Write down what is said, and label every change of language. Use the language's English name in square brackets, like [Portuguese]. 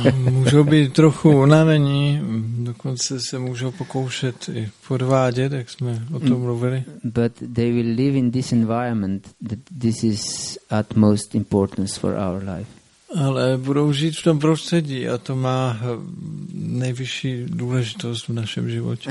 [Czech] Můžou být trochu unavení, dokonce se můžou pokoušet i podvádět, jak jsme o tom mluvili. [English] But they will live in this environment that this is utmost importance for our life. [Czech] Ale budou žít v tom prostředí a to má nejvyšší důležitost v našem životě.